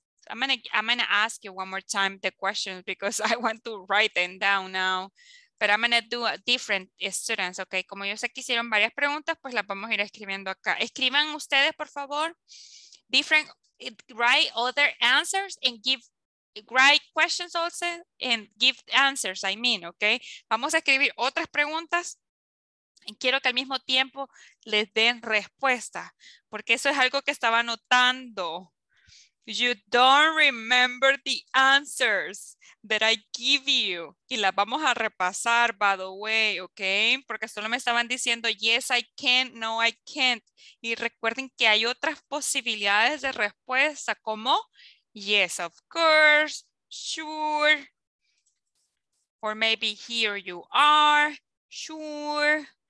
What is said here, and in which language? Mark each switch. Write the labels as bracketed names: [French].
[English] I'm gonna ask you one more time the questions because I want to write them down now. But I'm gonna do a different students, okay? [Spanish] Como yo sé que hicieron varias preguntas, pues las vamos a ir escribiendo acá. Escriban ustedes, por favor, [English] different, write other answers and give, write questions also and give answers, I mean, okay? [Spanish] Vamos a escribir otras preguntas y quiero que al mismo tiempo les den respuesta, porque eso es algo que estaba notando. [English] You don't remember the answers that I give you. [Spanish] Y las vamos a repasar, [English] by the way, [Spanish] okay? Porque solo me estaban diciendo, [English] yes, I can, no, I can't. [Spanish] Y recuerden que hay otras posibilidades de respuesta, como [English] yes, of course, sure, or maybe here you are, sure.